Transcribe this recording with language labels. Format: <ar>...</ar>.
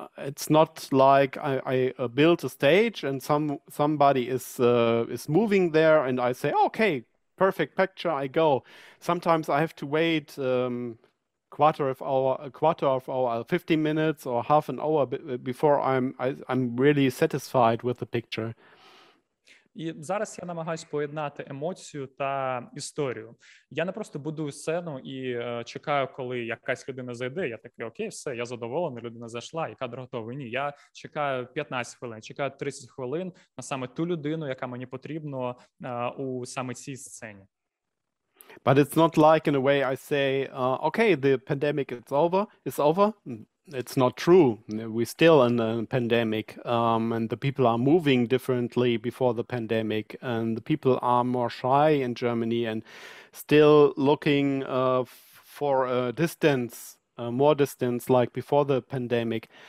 <en>It's not like I built a stage and somebody is moving there and I say, okay, perfect picture, I go. Sometimes I have to wait a quarter of hour, 50 minutes or half an hour before I'm really satisfied with the picture.</en> <uk>І зараз я намагаюся поєднати емоцію та історію. Я не просто будую сцену і чекаю, коли якась людина зайде. Я такий, окей, все, я задоволений, людина зайшла, і кадр готовий. Ні, я чекаю 15 хвилин, чекаю 30 хвилин на саме ту людину, яка мені потрібна у саме цій сцені.</uk> <en>But it's not like in a way I say, okay, the pandemic is over, it's over. It's not true. We're still in a pandemic, and the people are moving differently before the pandemic, and the people are more shy in Germany and still looking for a distance, more distance like before the pandemic.</en>